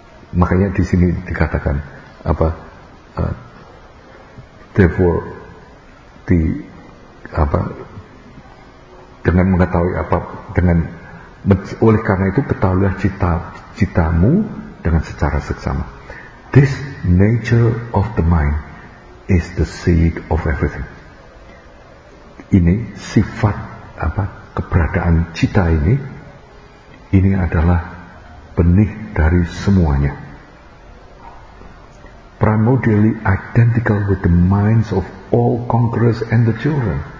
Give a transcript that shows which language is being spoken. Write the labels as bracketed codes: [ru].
[id] Makanya di sini dikatakan apa? [en] Therefore, [id] di apa? Dengan mengetahui apa? Dengan oleh karena itu ketahuilah cita-citamu dengan secara seksama. [en] This nature of the mind is the seed of everything. [id] Ini sifat apa? Keberadaan cita ini adalah benih dari semuanya. [en] Primordially identical with the minds of all conquerors and the children.